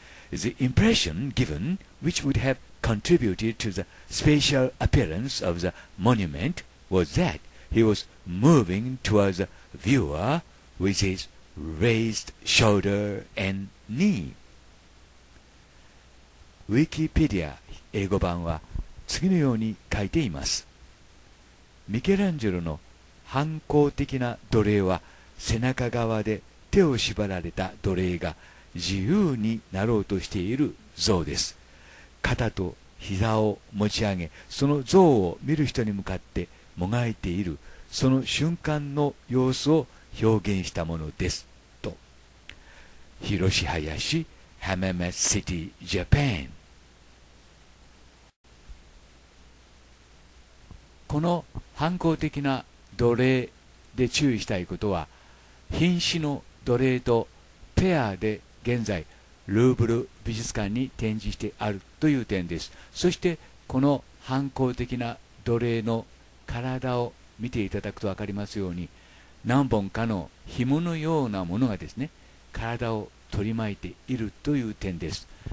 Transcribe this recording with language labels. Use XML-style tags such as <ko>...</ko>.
<en>The impression given, which would have contributed to the spatial appearance of the monument, was that he was moving towards the viewer with his raised shoulder and knee.</en> <ja>ウィキペディア英語版は次のように書いています。ミケランジェロの反抗的な奴隷は背中側で手を縛られた奴隷が自由になろうとしている像です。肩と膝を持ち上げ、その像を見る人に向かってもがいている、その瞬間の様子を表現したものですと。</ja> <en>広志林Hamamatsu City, Japan.</en> <ja>この反抗的な奴隷で注意したいことは、瀕死の奴隷とペアで現在ルーブル美術館に展示してあるという点です。そしてこの反抗的な奴隷の体を見ていただくと分かりますように、何本かの紐のようなものがですね、体を取り巻いているという点です。</ja>